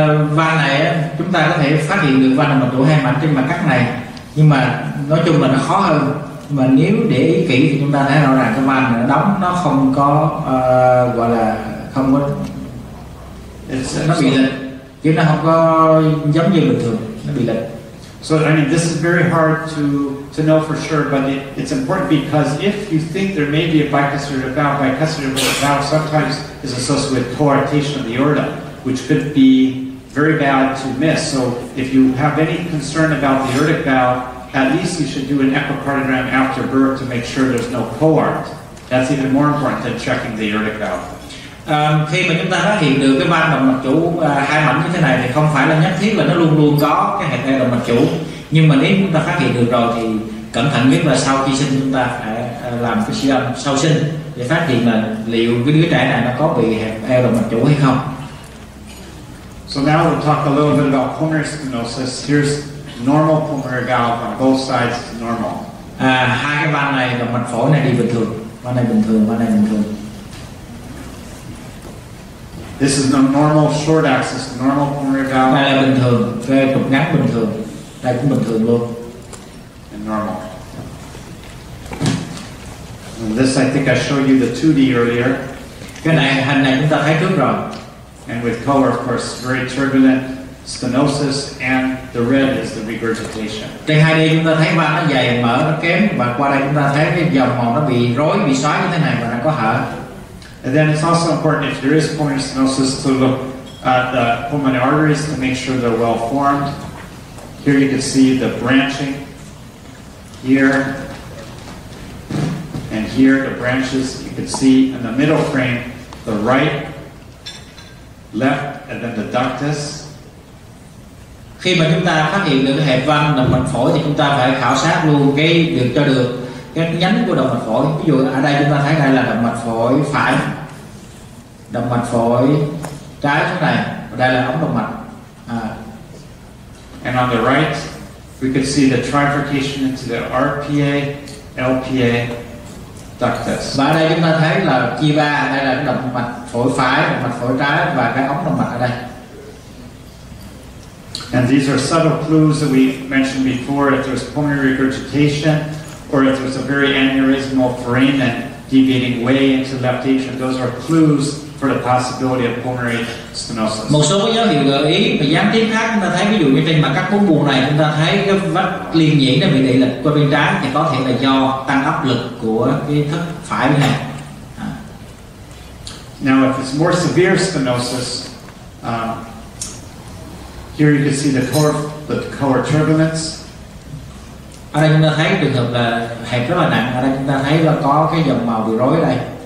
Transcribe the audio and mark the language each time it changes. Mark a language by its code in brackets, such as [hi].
[vi] Van này chúng ta có thể phát hiện được van động mạch chủ hai mảnh trên mặt cắt này, nhưng mà nói chung là nó khó hơn. Mà nếu để ý kỹ thì chúng ta thấy rõ ràng cái van này đóng, nó không có gọi là không có [en] it's [vi] nó bị lệch, chứ nó không có giống như bình thường, nó bị lệch. [en] So I mean this is very hard to know for sure, but it's important because if you think there may be a bicuspid valve sometimes is associated with coarctation of the aorta, which could be very bad to miss. So if you have any concern about the aortic valve, at least you should do an echocardiogram after birth to make sure there's no coart. That's even more important than checking the aortic valve. [vi] Khi mà chúng ta phát hiện được cái van động mạch chủ hai mảnh như thế này thì không phải là nhất thiết là nó luôn luôn có cái hẹp van động mạch chủ. Nhưng mà nếu chúng ta phát hiện được rồi thì cẩn thận nhất là sau khi sinh chúng ta phải làm cái siêu âm sau sinh để phát hiện là liệu cái đứa trẻ này nó có bị hẹp van động mạch chủ hay không. [en] So now we'll talk a little bit about pulmonary stenosis. Here's normal pulmonary valve on both sides to normal. [vi] hai cái van này và mạch phổi này đi bình thường, van này bình thường, van này bình thường. [en] This is a normal short axis, normal coronary valve. [vi] Đây là bình thường, cái cục ngắn bình thường, đây cũng bình thường luôn. [en] And normal. And this, I think I showed you the 2D earlier. [vi] Cái này hình này chúng ta thấy trước rồi. [en] And with color, of course, very turbulent stenosis, and the red is the regurgitation. [vi] Trên 2D chúng ta thấy van nó dày mở nó kém, và qua đây chúng ta thấy cái dòng màu nó bị rối, bị xoáy như thế này và nó có hở. [en] And then it's also important if there is pulmonary stenosis to look at the pulmonary arteries to make sure they're well formed. Here you can see the branching here and here the branches. You can see in the middle frame the right, left, and then the ductus. [vi] Khi mà chúng ta phát hiện được cái hẹp van động mạch phổi thì chúng ta phải khảo sát luôn cái được cho được cái nhánh của động mạch phổi. Ví dụ ở đây chúng ta thấy đây là động mạch phổi phải, động mạch phổi trái chỗ này, và đây là ống động mạch. [en] And on the right, we can see the trifurcation into the RPA, LPA ductus. [vi] Và ở đây chúng ta thấy là chia ba, đây là động mạch phổi phải, động mạch phổi trái và cái ống động mạch ở đây. [en] And these are subtle clues that we mentioned before. If there's pulmonary regurgitation, or if there's a very aneurysmal foramen deviating way into left atrium, those are clues for the possibility of pulmonary stenosis. [vi] Một số dấu hiệu gợi ý và gián tiếp khác chúng ta thấy, ví dụ như trên mặt cắt bốn buồng này, chúng ta thấy cái vách liên nhĩ nó bị đẩy lệch qua bên trái, thì có thể là do tăng áp lực của cái thất phải bên này. [en] Now, if it's more severe stenosis, here you can see the color turbulence. [vi] Ở đây chúng ta thấy trường hợp là hẹp rất là nặng. Ở đây chúng ta thấy là có cái dòng màu bị rối ở đây.